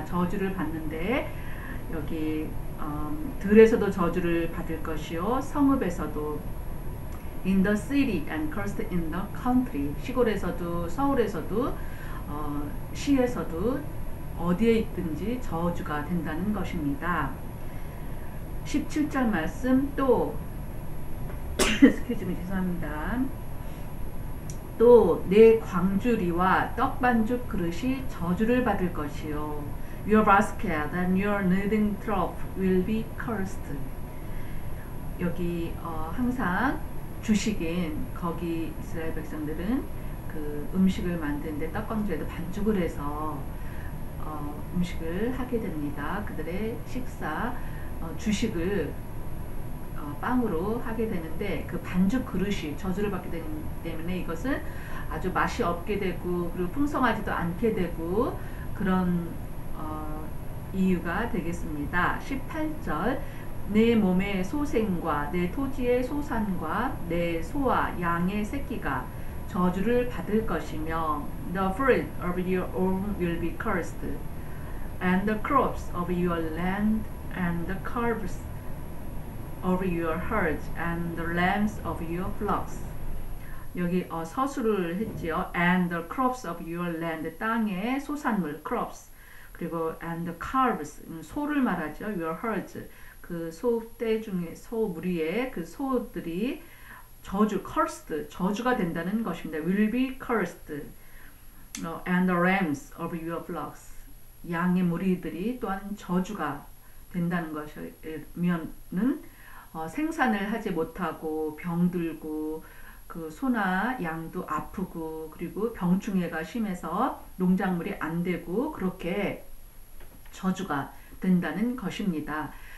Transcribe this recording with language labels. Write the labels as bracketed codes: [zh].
[ko] 저주를 받는데 여기 들에서도 저주를 받을 것이요 성읍에서도 [en] in the city and cursed in the country [ko] 시골에서도 서울에서도 시에서도 어디에 있든지 저주가 된다는 것입니다. 17절 말씀 또 스케줄이 죄송합니다. 또 내 광주리와 떡반죽 그릇이 저주를 받을 것이요. [en] Your basket and your kneading trough will be cursed. [ko] 여기 항상 주식인 거기 이스라엘 백성들은 그 음식을 만드는데 떡광주에도 반죽을 해서 음식을 하게 됩니다. 그들의 식사 주식을 빵으로 하게 되는데 그 반죽 그릇이 저주를 받게 되기 때문에 이것은 아주 맛이 없게 되고 그리고 풍성하지도 않게 되고 그런 이유가 되겠습니다. 18절 내 몸의 소생과 내 토지의 소산과 내 소와 양의 새끼가 저주를 받을 것이며 [en] The fruit of your own will be cursed and the crops of your land and the calves of your herd and the lambs of your flocks [ko] 여기 서술을 했지요. [en] And the crops of your land [ko] 땅의 소산물 [en] crops [ko] 그리고 [en] and the calves [ko] 소를 말하죠. [en] Your herd [ko] 그 소떼 중에 소 무리의 그 소들이 저주 cursed 저주가 된다는 것입니다. [en] Will be cursed and the rams of your flocks [ko] 양의 무리들이 또한 저주가 된다는 것이면은 생산을 하지 못하고 병들고 그 소나 양도 아프고 그리고 병충해가 심해서 농작물이 안 되고 그렇게 저주가 된다는 것입니다.